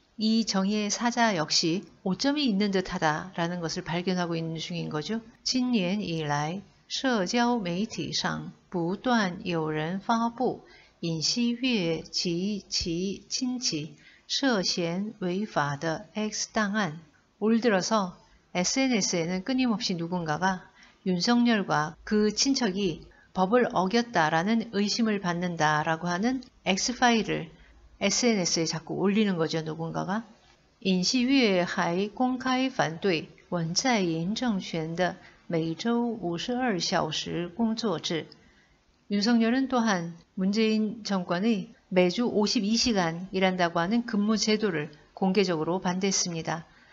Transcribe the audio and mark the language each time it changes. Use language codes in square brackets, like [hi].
[ko] 이 정의의 사자 역시 오점이 있는 듯하다라는 것을 발견하고 있는 중인 거죠. [zh] 近年以来 社交媒体上不断有人发布尹锡悦及其亲戚涉嫌违法的X档案. [ko] 올 들어서 SNS에는 끊임없이 누군가가 윤석열과 그 친척이 법을 어겼다라는 의심을 받는다라고 하는 X파일을 SNS에 자꾸 올리는 거죠. 누군가가 [zh] 尹锡悦还公开反对文在寅政权的 [ko] 매주 52시간 근무제. 윤석열은 또한 문재인 정권의 매주 52시간 일한다고 하는 근무 제도를 공개적으로 반대했습니다.